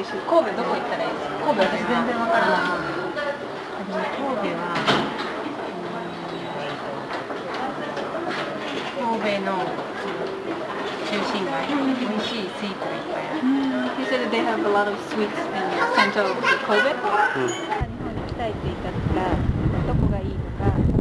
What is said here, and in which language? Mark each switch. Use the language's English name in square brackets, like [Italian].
[Japanese] Kobe, どこ行ったらいい？ Kobe, 私全然わからない。 Kobe は、Kobe の中心街、厳しいスイーツがいっぱいある。 [English] He said they have a lot of sweets in the center of Kobe. [Japanese] 日本に来たいって言ったら、どこがいいのか。